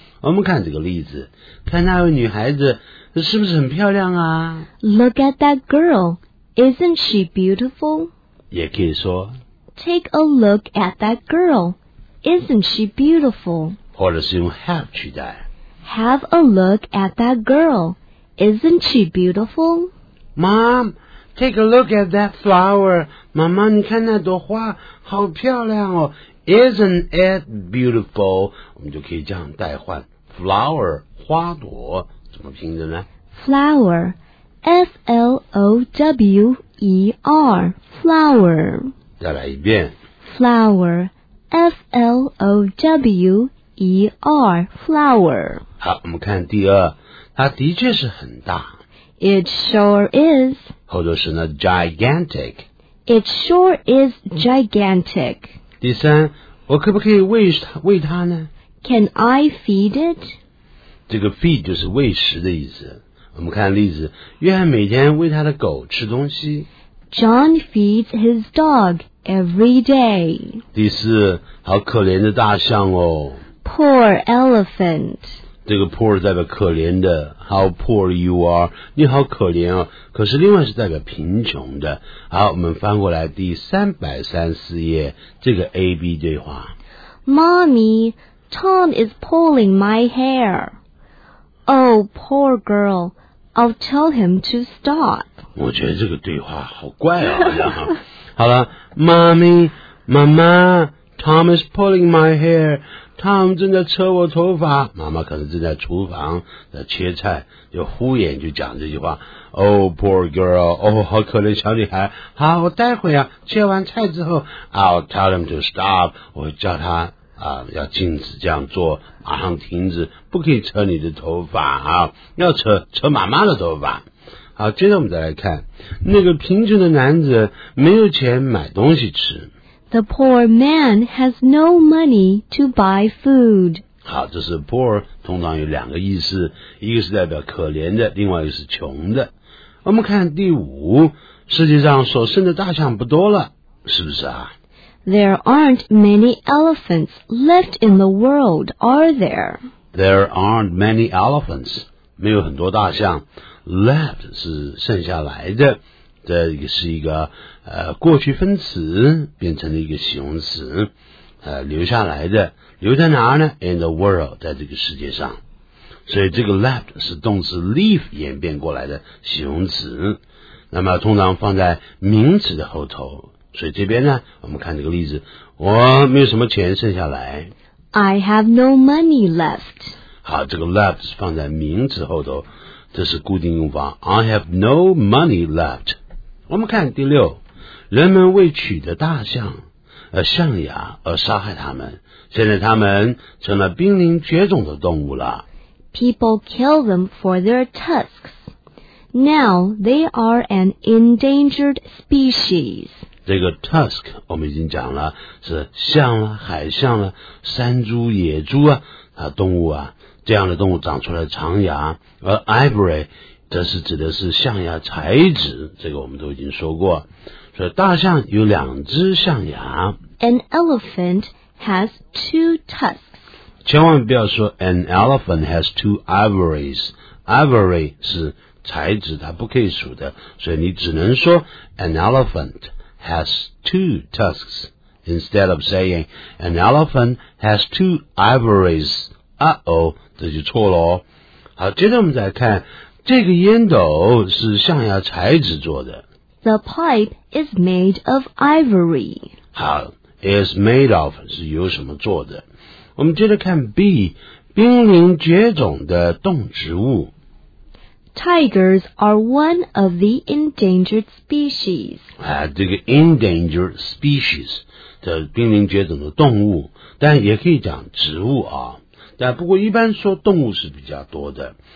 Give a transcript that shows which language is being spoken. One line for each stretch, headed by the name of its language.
Chinese: 我们看这个例子，看那位女孩子是不是很漂亮啊
English: ？Look at that girl, isn't she beautiful?
Chinese: 也可以说
English: ，Take a look at that girl, isn't she beautiful?
Chinese: 或者是用 have 取代
English: ，Have a look at that girl, isn't she beautiful? Mom, take a look at that flower.
Chinese: 妈妈，你看那朵花，好漂亮哦。
English: Isn't it beautiful?
Chinese: 我们就可以这样代换 flower 花朵怎么拼的呢
English: ？Flower, F L O W E R, flower.
Chinese: 再来一遍。
English: Flower, F L O W E R, flower.
Chinese: 好，我们看第二，它的确是很大。
English: It sure is.
Chinese: 后头是呢 gigantic.
English: It sure is gigantic.
Chinese: 第三，我可不可以喂它呢
English: ？Can I feed it？
Chinese: 这个 feed 就是喂食的意思。我们看例子，约翰每天喂他的狗吃东西。
English: John feeds his dog every day。
Chinese: 第四，好可怜的大象哦。
English: Poor elephant。
Chinese: 这个 poor 代表可怜的 ，
English: How poor you are！
Chinese: 你好可怜哦。可是另外是代表贫穷的。好，我们翻过来第334页这个 A B 对话。
English: Mommy, Tom is pulling my hair. Oh, poor girl. I'll tell him to stop.
Chinese: 我觉得这个对话好怪啊。好了
English: ，Mommy，
Chinese: 妈妈
English: ，Tom is pulling my hair.
Chinese: Tom 正在扯我头发，妈妈可能正在厨房在切菜，就敷衍就讲这句话。
English: Oh, poor girl. Oh,
Chinese: 好可怜小女孩。好，我待会啊，切完菜之后 ，
English: I'll tell him to stop.
Chinese: 我会叫他啊，要禁止这样做，马上停止，不可以扯你的头发啊，要扯妈妈的头发。好，接着我们再来看，那个贫穷的男子没有钱买东西吃。
English: The poor man has no money to buy food.
Chinese: 好，这是 poor 通常有两个意思，一个是代表可怜的，另外一个是穷的。我们看第五，世界上所剩的大象不多了，是不是啊？
English: There aren't many elephants left in the world, are there? There aren't many elephants.
Chinese: 没有很多大象。 Left 是剩下来的，这也是一个过去分词变成了一个形容词，留下来的，留在哪儿呢 ？
English: In the world，
Chinese: 在这个世界上。所以这个 left 是动词 leave 演变过来的形容词，那么通常放在名词的后头。所以这边呢，我们看这个例子，我没有什么钱剩下来。
English: I have no money left.
Chinese: 好，这个 left 是放在名词后头，这是固定用法。
English: I have no money left.
Chinese: 我们看第六，人们为取得大象、象牙而杀害它们，现在它们成了濒临绝种的动物了。
English: People kill them for their tusks. Now they are an endangered species.
Chinese: 这个 tusk 我们已经讲了，是象了、海象了、山猪、野猪啊，动物啊，这样的动物长出来长牙，而 ivory 则是指的是象牙材质，这个我们都已经说过。所以大象有两只象牙。
English: An elephant has two tusks.
Chinese: 千万不要说
English: an elephant has two ivories.
Chinese: Ivory 是材质，它不可以数的，所以你只能说
English: an elephant. Has two tusks instead of saying an elephant has two ivories. Uh-oh,
Chinese: 这就错了哦。好，接着我们再看，这个烟斗是象牙材质做的。
English: The pipe is made of ivory.
Chinese: 好 ，
English: is made of
Chinese: 是由什么做的？我们接着看 B， 濒临绝种的动植物。
English: Tigers are one of the endangered species.
Chinese: 这个
English: endangered species
Chinese: 的濒临绝种的动物，但也可以讲植物啊。但不过一般说动物是比较多的。